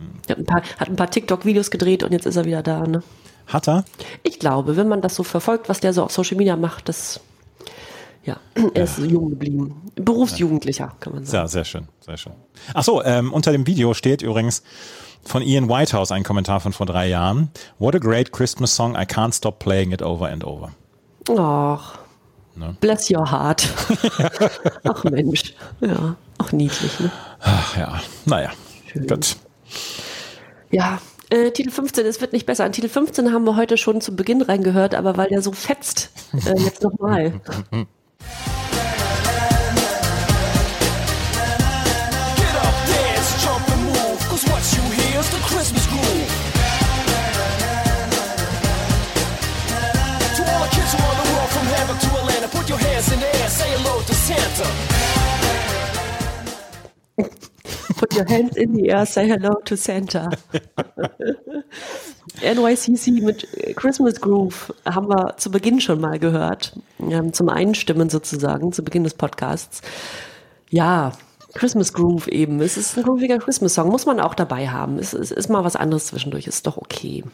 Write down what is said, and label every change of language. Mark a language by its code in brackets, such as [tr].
[de] Hat ein paar TikTok-Videos gedreht und jetzt ist er wieder da, ne? Hat er? Ich glaube, wenn man das so verfolgt, was der so auf Social Media macht, er ist jung geblieben. Berufsjugendlicher, kann man sagen. Ja, sehr schön. Achso, unter dem Video steht übrigens von Ian Whitehouse ein Kommentar von vor 3 Jahren. [en] What a great Christmas song, I can't stop playing it over and over. [de] Ach, ne? [en] Bless your heart. [de] Ach Mensch, ja. Auch niedlich, ne? Ach ja, naja, gut. Ja, Titel 15, es wird nicht besser. An Titel 15 haben wir heute schon zu Beginn reingehört, aber weil der so fetzt, jetzt nochmal. [en] Get up, dance, jump and move, 'cause what you hear is the Christmas groove. To all the kids who are the world from heaven to Atlanta, put your hands in the air, say hello to Santa. Put your hands in the air, say hello to Santa. [de] NYCC mit Christmas Groove haben wir zu Beginn schon mal gehört. Zum Einstimmen sozusagen, zu Beginn des Podcasts. Ja, Christmas Groove eben. Es ist ein grooviger Christmas-Song, muss man auch dabei haben. Es ist mal was anderes zwischendurch, ist doch okay.